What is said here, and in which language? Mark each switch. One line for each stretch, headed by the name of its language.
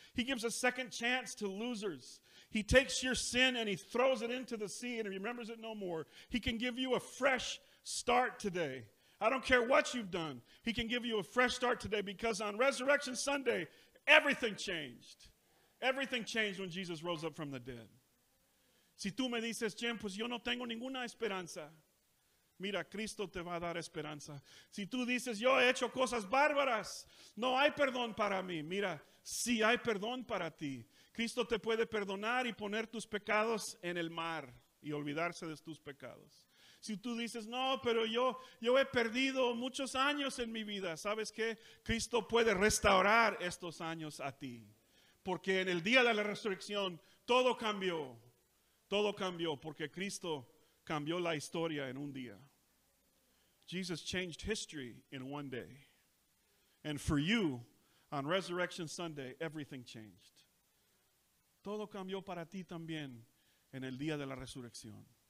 English: He gives a second chance to losers. He takes your sin and he throws it into the sea and he remembers it no more. He can give you a fresh start today. I don't care what you've done. He can give you a fresh start today because on Resurrection Sunday, everything changed. Everything changed when Jesus rose up from the dead.
Spanish: Si tú me dices, Jim, pues yo no tengo ninguna esperanza. Mira, Cristo te va a dar esperanza. Si tú dices, yo he hecho cosas bárbaras. No hay perdón para mí. Mira, sí hay perdón para ti. Cristo te puede perdonar y poner tus pecados en el mar y olvidarse de tus pecados. Si tú dices, no, pero yo he perdido muchos años en mi vida. ¿Sabes qué? Cristo puede restaurar estos años a ti. Porque en el día de la resurrección, todo cambió. Todo cambió porque Cristo cambió la historia en un día.
English: Jesus changed history in one day. And for you, on Resurrection Sunday, everything changed.
Spanish: Todo cambió para ti también en el día de la resurrección.